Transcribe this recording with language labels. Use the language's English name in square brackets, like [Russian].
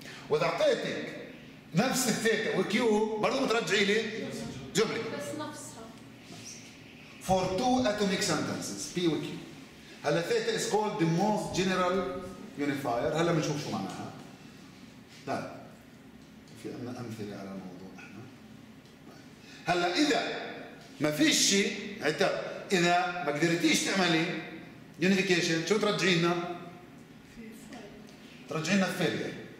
[Arabic] وإذا أعطيتك نفس الثيتا وكيو برضو بترجعي لي جملة بس نفسها. [English] For two atomic sentences P و Q. [Arabic] هلا ثيتا [English] is called the most general unifier. [Arabic] هلا بنشوف شو معناها. طيب في عندنا أمثلة على الموضوع احنا. هلا إذا ما فيش شيء، عتب إذا ما قدرتيش تعملي unification شو ترجعي لنا؟ ترجعي لنا failure.